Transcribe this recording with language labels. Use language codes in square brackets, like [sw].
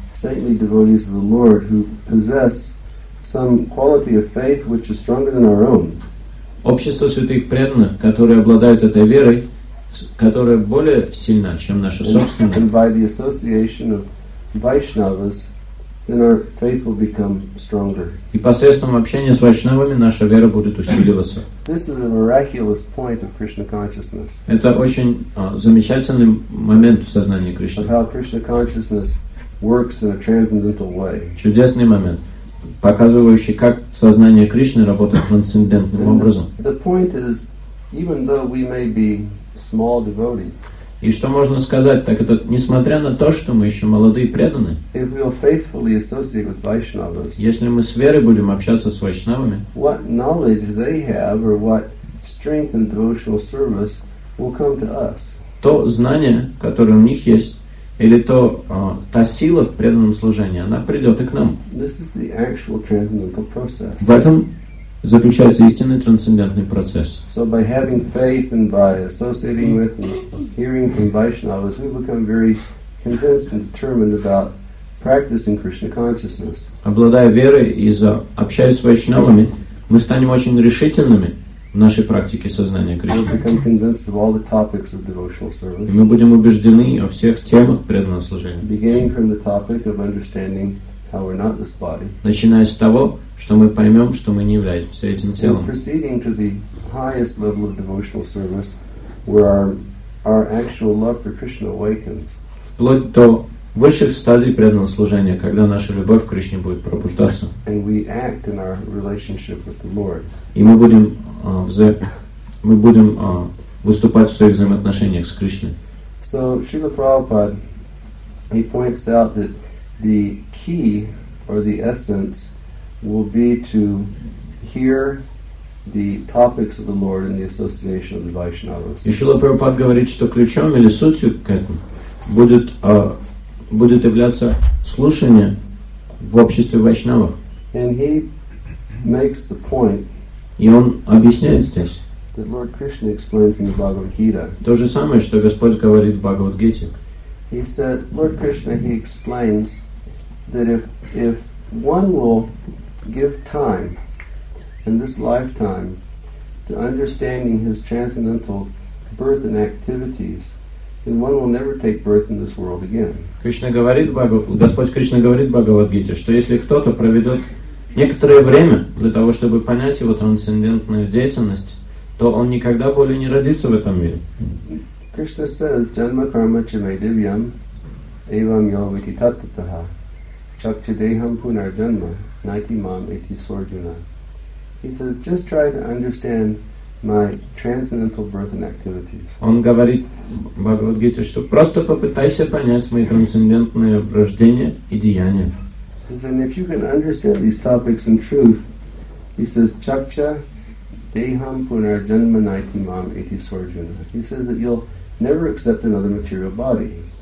[en] Saintly devotees of the Lord who possess some quality of faith which is stronger than our own. [ru] Общество святых преданных, которые обладают этой верой, которая более сильна, чем наша собственная. [en] And by the association of Vaishnavas, then our faith will become stronger. [ru] И посредством общения с вайшнавами наша вера будет усиливаться. [en] This is a miraculous point of Krishna consciousness. [ru] Это очень замечательный момент в сознании Кришны. [en] Of how Krishna consciousness works in a transcendental way. [ru] Чудесный момент, показывающий, как сознание Кришны работает трансцендентным образом. [en] The point is, even though we may be small devotees. [ru] И что можно сказать, так это, несмотря на то, что мы еще молодые преданные, [en] if we will faithfully associate with Vaishnavas, [ru] если мы с верой будем общаться с вайшнавами, [en] what knowledge they have or what strength in devotional service will come to us. [ru] То знание, которое у них есть, или то та сила в преданном служении, она придет и к нам. [en] This is the actual transcendental process. [ru] В этом заключается истинный трансцендентный процесс. [en] So by having faith and by associating with and hearing from Vaishnavas, we become very convinced and determined about practicing Krishna consciousness. [ru] Обладая верой и общаясь с вайшнавами, мы станем очень решительными в нашей практике сознания Кришны. [en] We become convinced of all the topics of devotional service. [ru] И мы будем убеждены о всех темах преданного служения. [en] Beginning from the topic of understanding how we're not this body. [ru] Начиная с того, что мы поймем, что мы не являемся этим телом. [en] Proceeding to the highest level of devotional service, where our actual love for Krishna awakens. [ru] В вплоть до высших стадий преданного служения, когда наша любовь к Кришне будет пробуждаться. [en] And we act in our relationship with the Lord. [ru] И мы будем выступать в своих взаимоотношениях с Кришной. [en] So Srila Prabhupada, he points out that the key or the essence will be to hear the topics of the Lord in the association of the Vaishnavas. [ru] И Шрила Прабхупада говорит, что ключом или сутью к этому будет являться слушание в обществе вайшнавов. [en] And he makes the point. [ru] И он объясняет здесь. [en] That Lord Krishna explains in the Bhagavad Gita. [ru] То же самое, что Господь говорит в Бхагавад Гите. [en] He said, Lord Krishna, he explains that if one will give time in this lifetime to understanding his transcendental birth and activities, then one will never take birth in this world again. [ru] Господь Кришна говорит в Бхагавад Гите, что если кто-то проведет некоторое время для того, чтобы понять его трансцендентную деятельность, то он никогда более не родится в этом мире. [sa] Krishna says, janma karma chame divyam evam yo vikitattaha chakchideham punar janma naiti mam eti sorjuna. [en] He says, just try to understand my transcendental birth and activities. [ru] Он говорит в Бхагавад Гите, что просто попытайся понять мои трансцендентные рождения и деяния. [en] He says, and if you can understand these topics in truth, he says, [sa] chakcha deham punar janma naiti mam eti sorjuna. [en] He says that you'll never accept another material body.